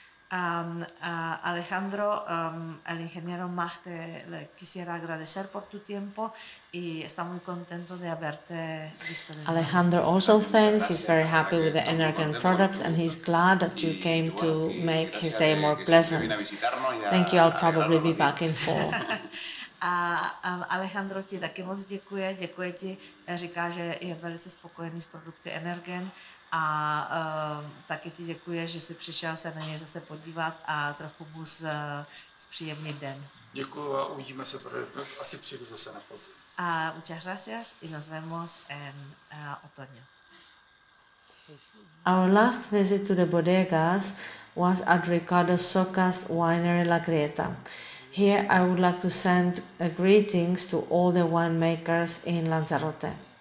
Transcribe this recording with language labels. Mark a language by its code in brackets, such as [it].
[es] Alejandro, el ingeniero Mach, te le quisiera agradecer por tu tiempo y está muy contento de haberte visto. [en] Alejandro also thanks. He's very happy with the Energen products and he's glad that you came to make his day more pleasant. Thank you. I'll probably be back in fall. [cs] A Alejandro ti taky moc děkuje ti, říká, že je velice spokojený s produkty Energen a taky ti děkuje, že jsi přišel se na něj zase podívat a trochu mu zpříjemnit den. Děkuju a uvidíme se, asi přijdu zase na podzim. [es] A muchas gracias y nos vemos en otoño. [en] Our last visit to the bodegas was at Ricardo Soca's winery La Grieta. Here I would like to send greetings to all the winemakers in Lanzarote.